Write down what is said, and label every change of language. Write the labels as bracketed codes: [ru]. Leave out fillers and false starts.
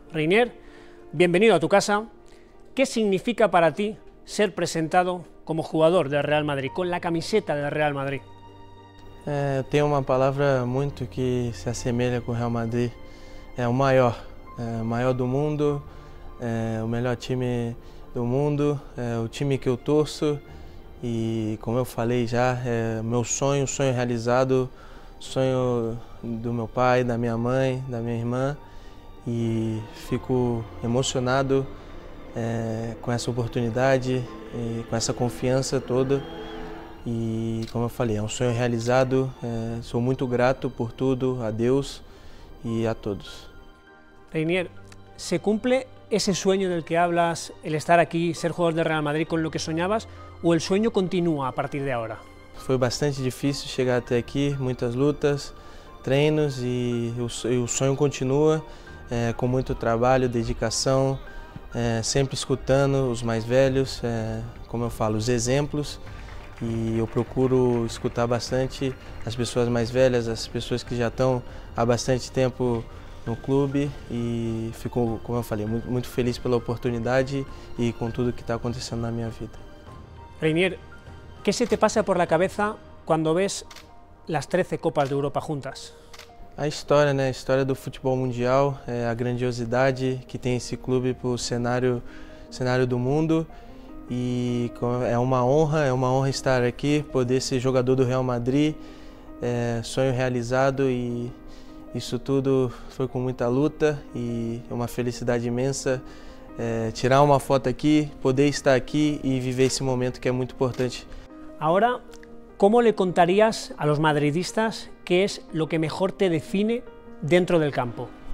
[es] Reinier, bienvenido a tu casa. ¿Qué significa para ti ser presentado como jugador del Real Madrid, con la camiseta del Real Madrid? Tengo una palabra mucho que se asemeja con Real Madrid. Es el mayor, mayor del mundo. [pt] O melhor time do mundo, o time que eu torço e, como eu falei já, meu sonho, sonho realizado, sonho do meu pai, da minha mãe, da minha irmã e fico emocionado com essa oportunidade, e com essa confiança toda e, como eu falei, é um sonho realizado, sou muito grato por tudo, a Deus e a todos. [es] Reinier, se cumple ese sueño del que hablas, el estar aquí, ser jugador de Real Madrid, con lo que soñabas, o el sueño continúa a partir de ahora? Fue bastante difícil llegar hasta aquí, muchas luchas, treinos y el sueño continúa con mucho trabajo, dedicación, siempre escuchando los más velhos, como yo falo, los ejemplos, y yo procuro escuchar bastante las personas más velhas, las personas que ya están há bastante tiempo no clube [pt] e fico, como eu falei, muito, muito feliz pela oportunidade e com tudo que está acontecendo na minha vida. [es] Reinier, que se te passa por la cabeza quando vês as 13 Copas de Europa juntas? [pt] A história, né? A história do futebol mundial, a grandiosidade que tem esse clube para o cenário do mundo. E é uma honra estar aqui, poder ser jogador do Real Madrid, sonho realizado e isso tudo foi com muita luta e uma felicidade imensa tirar uma foto aqui, poder estar aqui e viver esse momento que é muito importante. [es] Agora, como le contarias a los madridistas que es lo que mejor te define dentro del campo?